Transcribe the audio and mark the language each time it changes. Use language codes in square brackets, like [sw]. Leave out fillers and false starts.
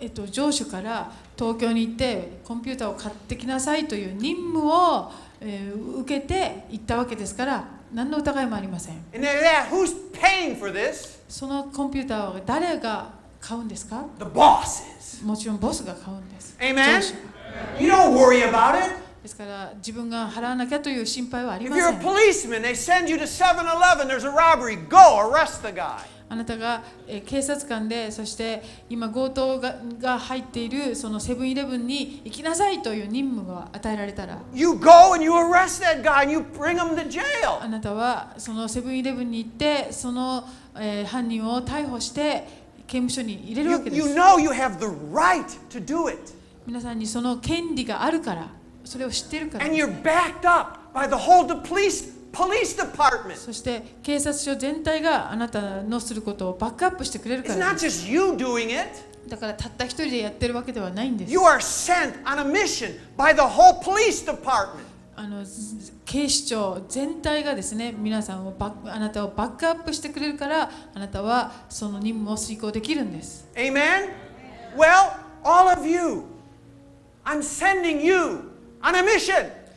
[ja] 上司から東京に行ってコンピューターを買ってきなさいという任務を、受けて行ったわけですから何の疑いもありません。 [en] And then, who's paying for this? [ja] そのコンピューターを誰が買うんですか。 [en] The boss is. [ja] もちろんボスが買うんです。 [en] Amen. You don't worry about it. [ja] ですから自分が払わなきゃという心配はありません。 [en] If you're a policeman, they send you to 7-Eleven, there's a robbery, go arrest the guy. [ja] あなたが警察官でそして今強盗 が入っているそのセブンイレブンに行きなさいという任務が与えられたら [en] you go and you arrest that guy and you bring him to jail. [ja] あなたはそのセブンイレブンに行ってその、犯人を逮捕して刑務所に入れるわけです。 [en] you know you have the right to do it. [ja] 皆さんにその権利があるからそれを知ってるから、 [en] ね、and you're backed up by the whole the police department. [ja] そして警察署全体があなたのすることをバックアップしてくれるから。 [en] It's not just you doing it. [ja] だからたった一人でやってるわけではないんです。 [en] You are sent on a mission by the whole police department. [ja] 警視庁全体がですね、皆さんをあなたをバックアップしてくれるから、あなたはその任務を遂行できるんです。 [en] Amen. Well, all of you, I'm sending you on a mission.